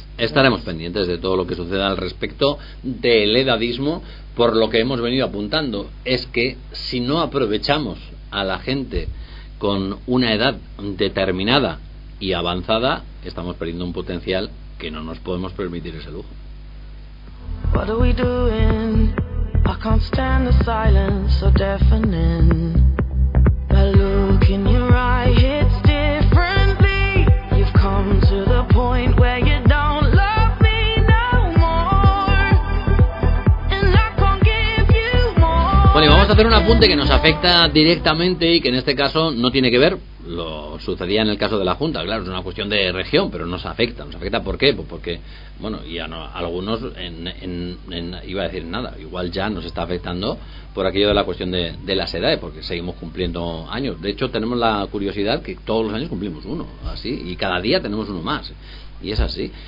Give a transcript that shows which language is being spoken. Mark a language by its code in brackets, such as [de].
[es] Estaremos pendientes de todo lo que suceda al respecto del edadismo. Por lo que hemos venido apuntando, es que si no aprovechamos a la gente con una edad determinada y avanzada, estamos perdiendo un potencial que no nos podemos permitir ese lujo. [en] What are we doing? I can't stand the silence so deafening. The look in your eye hits differently. You've come to the point where you don't love me no more. And I can't give you more. [es] Bueno, y vamos a hacer un apunte que nos afecta directamente y que en este caso no tiene que ver. Lo sucedía en el caso de la Junta, claro, es una cuestión de región, pero nos afecta, ¿por qué? Pues porque, bueno, y a algunos, iba a decir nada, igual ya nos está afectando por aquello de la cuestión de las edades, porque seguimos cumpliendo años. De hecho, tenemos la curiosidad que todos los años cumplimos uno, así, y cada día tenemos uno más. y es así.